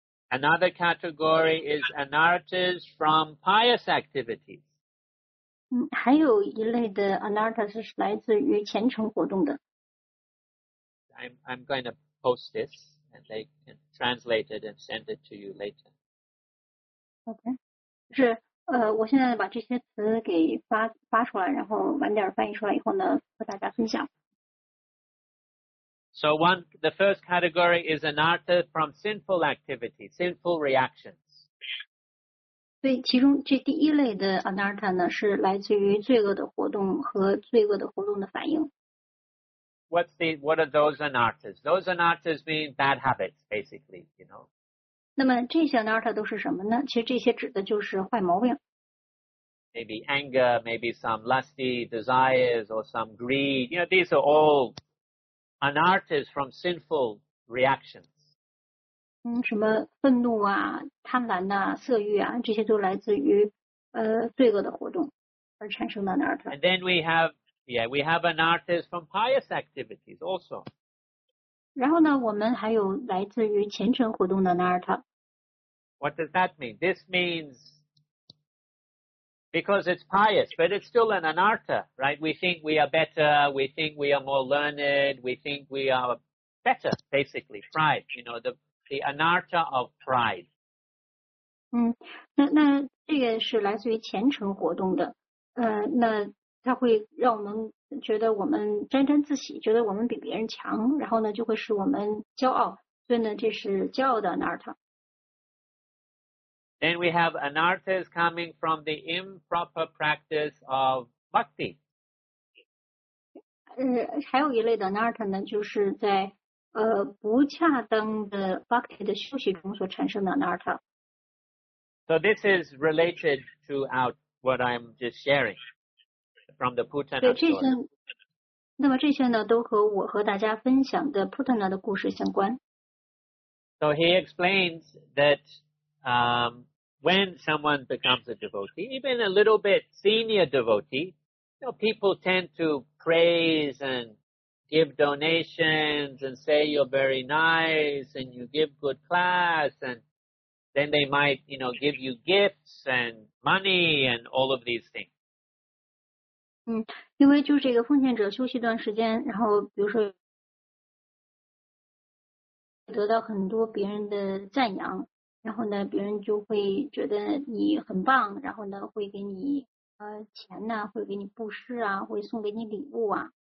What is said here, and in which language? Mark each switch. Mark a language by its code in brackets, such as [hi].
[en] Another category is anarthas from pious activities. [zh] 还有一类的 anartha 是来自于虔诚活动的。 [en] I'm going to post this and they can translate it and send it to you later. Okay. [zh] 是我现在把这些词给发出来，然后晚点翻译出来以后呢和大家分享。 [en] So one, the first category is anartha from sinful activity, sinful reactions. [zh] 所以其中这第一类的 anartha 呢是来自于罪恶的活动和罪恶的活动的反应。 [en] What are those anarthas? Those anarthas mean bad habits, basically, you know. [zh] 那么这些 anartha 都是什么呢？其实这些指的就是坏毛病。 [en] Maybe anger, maybe some lusty desires or some greed. You know, these are all anarthas from sinful reactions. [zh] 什么愤怒啊、贪婪啊、色欲啊，这些都来自于罪恶的活动而产生的 anartha。 [en] And then we have anarthas from pious activities also. [zh] 然后呢我们还有来自于虔诚活动的 anartha。 [en] What does that mean? This means because it's pious, but it's still an anartha, right? We think we are better, we think we are more learned, we think we are better, basically, pride, you know, the anartha of pride. [zh] 那这个是来自于虔诚活动的。那它会让我们觉得我们沾沾自喜，觉得我们比别人强，然后呢就会使我们骄傲，所以呢这是骄傲的 anartha。 [en] Then we have anarthas coming from the improper practice of bhakti。 [zh] 还有一类的 anartha 呢，就是在不恰当的 bhakti 的休息中所产生的 anartha。 [en] So this is related to our, what I'm just sharing from the Putana story. [zh] 那么这些呢都和我和大家分享的 Putana 的故事相关。 [en] So he explains that, when someone becomes a devotee, even a little bit senior devotee, you know, people tend to praise and give donations and say you're very nice and you give good class and then they might, you know, give you gifts and money and all of these things. [zh] 因为就这个奉献者休息一段时间然后比如说得到很多别人的赞扬然后呢别人就会觉得你很棒然后呢会给你钱呢、啊、会给你布施啊会送给你礼物啊。